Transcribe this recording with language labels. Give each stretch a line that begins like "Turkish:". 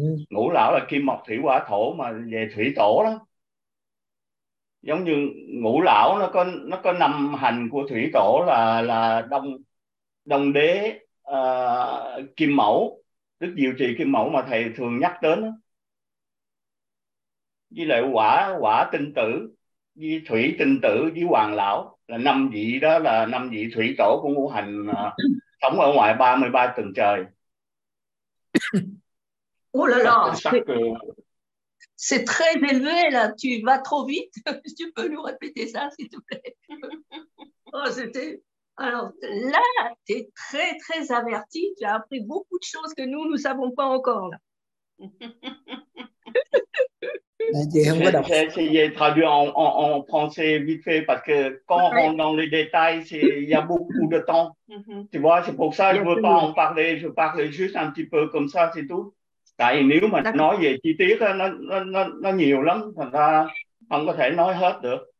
Vietnamese: Ngũ lão là kim mộc thủy hỏa thổ mà về thủy tổ đó. Giống như ngũ lão nó có năm hành của thủy tổ là đông đông đế, kim mẫu, tức diệu trì kim mẫu mà thầy thường nhắc đến đó. Với lại quả quả tinh tử, với thủy tinh tử, với hoàng lão là năm vị đó, là năm vị thủy tổ của ngũ hành, sống ở ngoài 33 tầng trời. Oh là Sắc là, sắc
French: c'est très élevé là, tu vas trop vite. Tu peux nous répéter ça, s'il te plaît? Oh, c'était. Alors là, tu es très, très averti. Tu as appris beaucoup de choses que nous, nous savons pas encore
Vietnamese: Chị không có đọc.
French: C'est traduit en français vite fait parce que quand on rentre dans les détails, il y a beaucoup de temps. Tu vois, c'est pour ça que je ne veux pas en parler. Je parle juste un petit peu comme ça, c'est tout.
Vietnamese: Tại vì nếu mà nói về chi tiết, nó nhiều lắm, thành ra không có thể nói hết được.